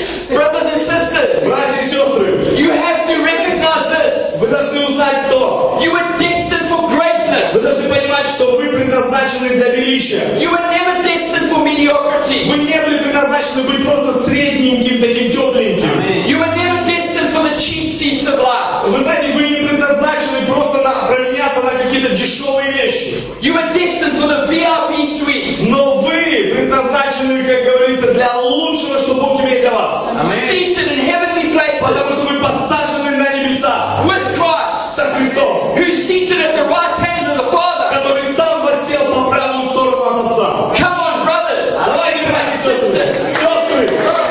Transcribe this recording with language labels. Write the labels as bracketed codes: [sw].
[en] Brothers and sisters, [ru] братья и сестры, [en] you have to recognize this. [ru] Вы должны узнать кто. [en] You were destined for greatness. [ru] Вы должны понимать, что вы предназначены для величия. [en] You were never destined for mediocrity. [ru] Вы не были предназначены быть просто средненьким, таким тепленьким. [en] You were never destined for the cheap seats of life. [ru] Вы знаете, вы не предназначены просто на променяться на какие-то дешевые вещи. [en] You were destined for the VIP suites. [ru] Но вы предназначены, как говорится, для лучшего, что Бог имеет для вас. [en] Seated in heavenly places. [ru] Потому что вы посажены на небеса. [en] With Christ. [ru] Со Христом. [en] Who's seated at the right hand of the Father. [ru] Который сам воссел по правую сторону от Отца. [en] Come on, brothers. [ru] Давайте, братья и сестры.